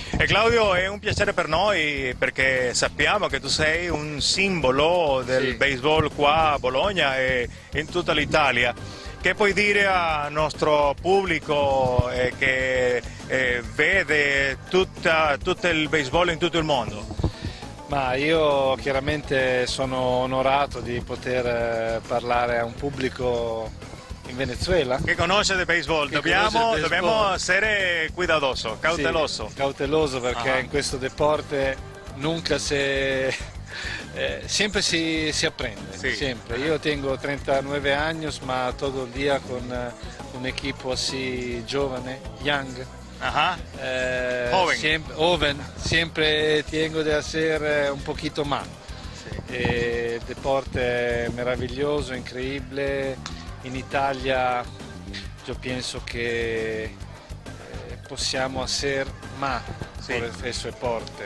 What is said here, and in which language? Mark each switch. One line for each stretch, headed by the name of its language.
Spanish: Claudio, es un placer para nosotros porque sabemos que tú eres un símbolo del béisbol
Italian: qua a Bologna
Spanish: y en toda la Italia. ¿Qué puedes decir a nuestro público que ve todo el béisbol en todo el mundo?
Italian: Ma io chiaramente sono onorato di poter parlare a un pubblico in Venezuela. Che conosce il baseball, dobbiamo essere
Spanish: cuidadoso, cauteloso.
Italian: Sì, cauteloso perché in questo deporte
Spanish: nunca se...
Italian: sempre si apprende, sì. Sempre. Io tengo 39 anni, ma tutto il dia con un'equipe così giovane,
English: young.
Spanish: Joven, siempre tengo de hacer un poquito más. El deporte es maravilloso, increíble. En Italia yo pienso que
Italian: possiamo
Spanish: hacer más por el stesso deporte.